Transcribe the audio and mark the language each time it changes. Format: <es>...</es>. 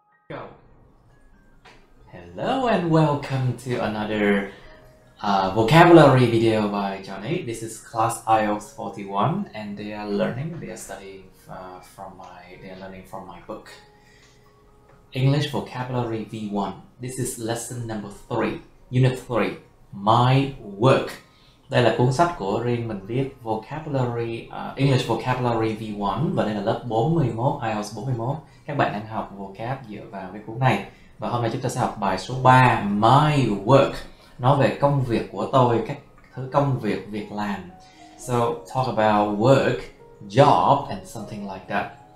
<en>Hello and welcome to another vocabulary video by Johnny. This is class IELTS 41 and they are learning from my book English Vocabulary V1. This is lesson number 3, unit 3, My Work.</en> <vi>Đây là cuốn sách của riêng mình viết vocabulary English Vocabulary V1 và đây là lớp 41 IELTS 41. Các bạn đang học vocab dựa vào cái cuốn này. Và hôm nay chúng ta sẽ học bài số 3, My Work. Nói về công việc của tôi, các thứ công việc, việc làm.</vi> <en>So, talk about work, job, and something like that.</en>